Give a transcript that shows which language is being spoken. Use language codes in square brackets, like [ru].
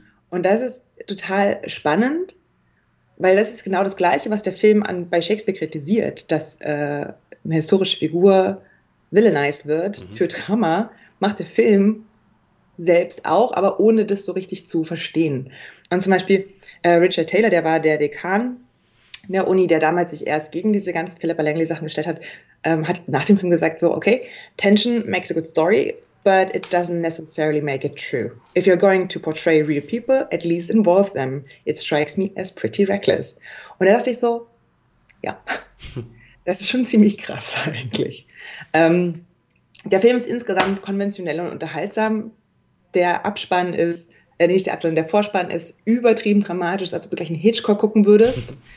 [de] Und das ist total spannend, weil das ist genau das Gleiche, was der Film bei Shakespeare kritisiert, dass eine historische Figur villainized wird für Drama, macht der Film selbst auch, aber ohne das so richtig zu verstehen. Und zum Beispiel Richard Taylor, der war der Dekan der Uni, der damals sich erst gegen diese ganzen Philippa Langley-Sachen gestellt hat, hat nach dem Film gesagt, so, okay, [en] Tension makes a good story, but it doesn't necessarily make it true. If you're going to portray real people, at least involve them. It strikes me as pretty reckless. [de] Und da dachte ich so, ja, das ist schon ziemlich krass eigentlich. Der Film ist insgesamt konventionell und unterhaltsam. Der Abspann ist, nicht der Abspann, der Vorspann ist übertrieben dramatisch, als ob du gleich einen Hitchcock gucken würdest.